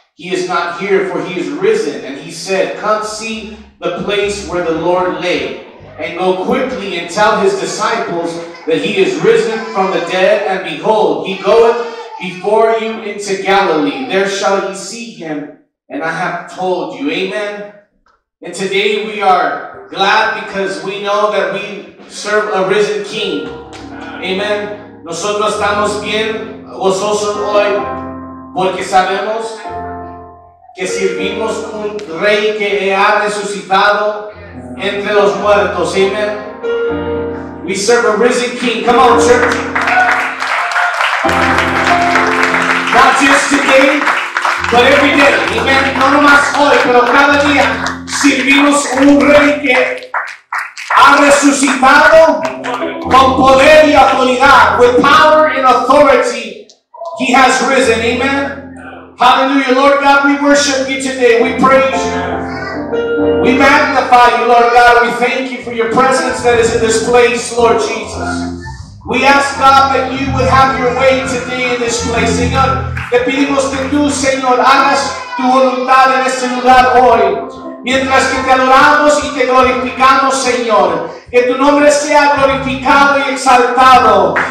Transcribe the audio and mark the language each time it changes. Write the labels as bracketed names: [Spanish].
[English] He is not here, for he is risen. And he said, come see the place where the Lord lay, and go quickly and tell his disciples that he is risen from the dead, and behold, he goeth before you into Galilee. There shall ye see him, and I have told you. Amen. And today we are glad because we know that we serve a risen King. Amen. [Spanish] Nosotros estamos bien gozosos hoy porque sabemos que servimos un rey que ha resucitado entre los muertos. [English] Amen. We serve a risen King. Come on, church. Not just today, but every day. Amen. [Spanish] No nomás hoy, pero cada día servimos un rey que ha resucitado con poder y autoridad. [English] With power and authority, he has risen. Amen. Hallelujah. Lord God, we worship you today. We praise you. We magnify you, Lord God. We thank you for your presence that is in this place, Lord Jesus. We ask, God, that you would have your way today in this place. [Spanish] Señor, te pedimos que tú, Señor, hagas tu voluntad en este lugar hoy. Mientras que te adoramos y te glorificamos, Señor, que tu nombre sea glorificado y exaltado.